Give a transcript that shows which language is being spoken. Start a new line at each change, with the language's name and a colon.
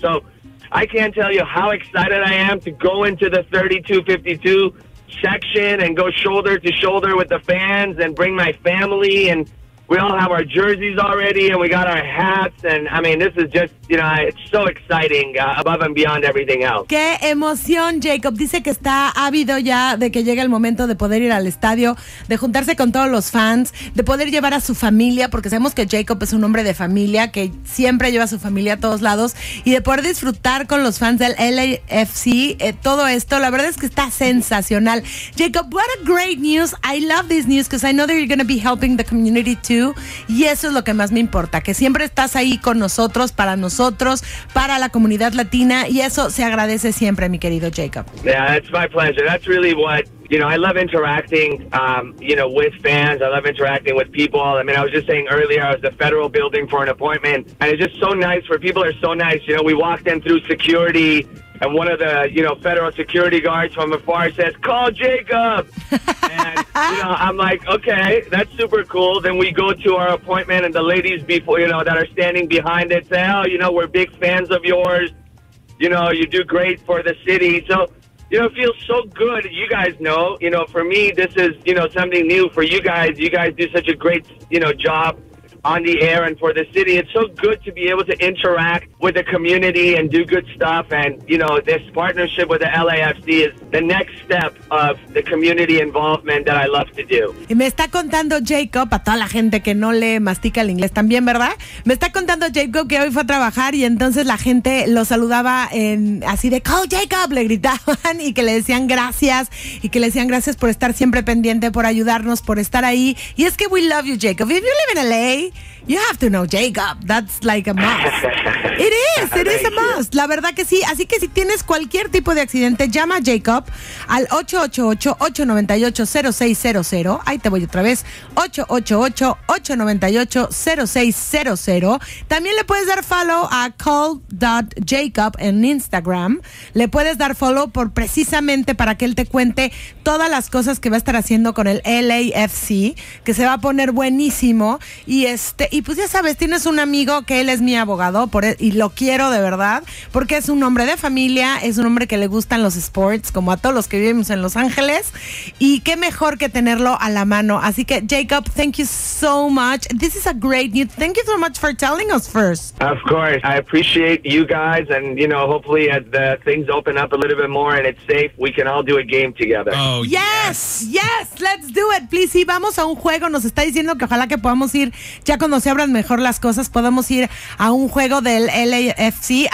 English: So I can't tell you how excited I am to go into the 3252 section and go shoulder to shoulder with the fans and bring my family. And we all have our jerseys already and we got our hats. And I mean, this is just, you know, it's so exciting above and beyond everything else.
Spanish: Qué emoción, Jacob. Dice que está ávido ya de que llegue el momento de poder ir al estadio, de juntarse con todos los fans, de poder llevar a su familia, porque sabemos que Jacob es un hombre de familia, que siempre lleva a su familia a todos lados, y de poder disfrutar con los fans del LAFC todo esto. La verdad es que está sensacional. Jacob,
English: what a great news. I love this news because I know that you're going to be helping the community too.
Spanish: Y eso es lo que más me importa, que siempre estás ahí con nosotros, para nosotros, para la comunidad latina, y eso se agradece siempre, mi querido Jacob.
English: Yeah, it's my pleasure. That's really what, you know, I love interacting, you know, with fans. I love interacting with people. I mean, I was just saying earlier, I was at the federal building for an appointment, and it's just so nice, for people are so nice. You know, we walked in through security, and one of the, you know, federal security guards from afar says, call Jacob. And, you know, I'm like, okay, that's super cool. Then we go to our appointment and the ladies before, you know, that are standing behind it say, oh, you know, we're big fans of yours. You know, you do great for the city. So, you know, it feels so good. You guys know, you know, for me, this is, you know, something new for you guys. You guys do such a great, you know, job on the air and for the city. It's so good to be able to interact with the community and do good stuff. And, you know, this partnership with the LAFC is the next step of the community involvement that I love to do.
Spanish: Y me está contando Jacob, a toda la gente que no le mastica el inglés también, ¿verdad? Me está contando Jacob que hoy fue a trabajar y entonces la gente lo saludaba en así de, call Jacob, le gritaban y que le decían gracias y que le decían gracias por estar siempre pendiente, por ayudarnos, por estar ahí. Y es que
English: we love you, Jacob. If you live in LA, you have to know Jacob. That's like a must. It is a must.
Spanish: La verdad que sí. Así que si tienes cualquier tipo de accidente, llama a Jacob al 888-898-0600. Ahí te voy otra vez. 888-898-0600. También le puedes dar follow a call.jacob en Instagram. Le puedes dar follow por precisamente para que él te cuente todas las cosas que va a estar haciendo con el LAFC, que se va a poner buenísimo. Y y pues ya sabes, tienes un amigo que él es mi abogado por él, y lo quiero de verdad, porque es un hombre de familia, es un hombre que le gustan los sports como a todos los que vivimos en Los Ángeles, y qué mejor que tenerlo a la mano. Así que
English: Jacob, thank you so much. This is a great news. Thank you so much for telling us first. Of course, I appreciate you guys, and you know, hopefully as the things open up a little bit more and it's safe, we can all do a game together. Oh, yes. Yes, let's do it. Please,
Spanish: sí, vamos a un juego. Nos está diciendo que ojalá que podamos ir, ya cuando se abran mejor las cosas, podemos ir a un juego del LAFC.